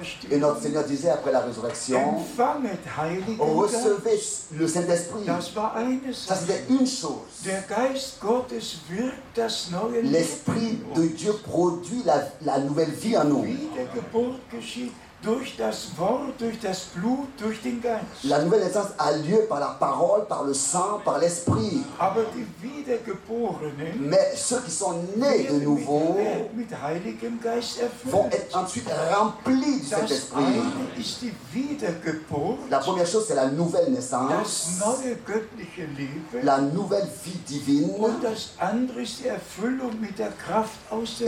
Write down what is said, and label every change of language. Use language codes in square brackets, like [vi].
[fr] Et notre Seigneur disait après la résurrection, [de] empfanget heilige [fr] recevez le Saint-Esprit, ça c'était une chose. [de] Der Geist Gottes wirkt das neue Leben. [fr] L'Esprit de Dieu produit la nouvelle vie en nous. [de] Wiedergeburt geschieht durch das Wort, durch das Blut, durch den Geist. [fr] La nouvelle naissance a lieu par la parole, par le sang, par l'Esprit. [de] Aber die Wiedergeborenen, [fr] mais ceux qui sont nés de nouveau [de] mit Heiligem Geist erfüllt, [fr] vont être ensuite remplis de cet Esprit. [de] Ist die Wiedergeburt, [fr] la première chose, c'est la nouvelle naissance, [de] das neue göttliche Leben, [fr] la nouvelle vie divine. [de] Und das andere ist die Erfüllung mit der Kraft aus der,